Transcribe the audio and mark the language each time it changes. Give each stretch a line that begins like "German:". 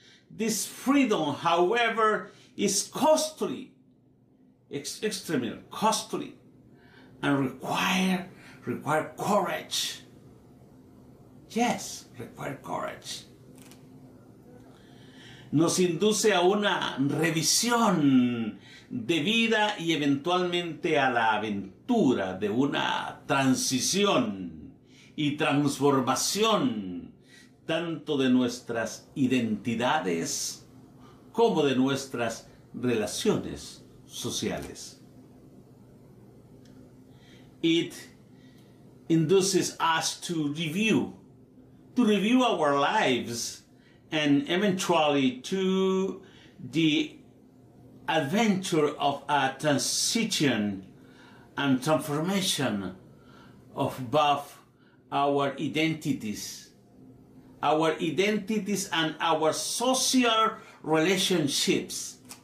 English: This freedom, however, is costly, extremely costly, and require courage. Yes, require courage.
Spanish: Nos induce a una revisión de vida y eventualmente a la aventura de una transición y transformación tanto de nuestras identidades como de nuestras relaciones sociales.
English: It induces us to review our lives and eventually to the adventure of a transition and transformation of both our identities and our social relationships.